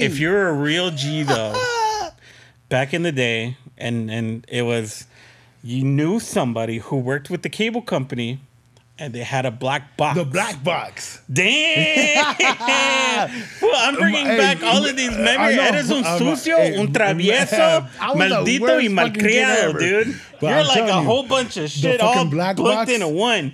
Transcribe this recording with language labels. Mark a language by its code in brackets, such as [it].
[en] If you're a real G though, back in the day, and it was, you knew somebody who worked with the cable company. And they had a black box. The black box. Damn. Well, I'm bringing back all of these memories. [es] Eres un sucio, un travieso, maldito y malcriado, dude. [en] But you're like a whole bunch of shit all black booked box, into one.